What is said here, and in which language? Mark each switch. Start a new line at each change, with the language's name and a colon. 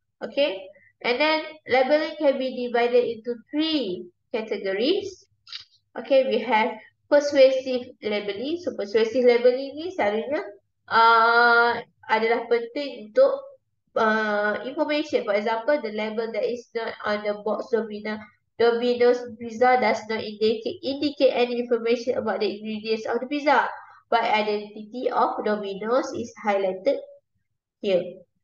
English: Okay, and then labeling can be divided into three categories. Okay, we have persuasive labeling.
Malay: So persuasive labeling ni selalunya adalah penting untuk information.
English: For example, the label that is not on the box Domino's pizza does not indicate any information about the ingredients of the pizza, but identity of Domino's is highlighted here.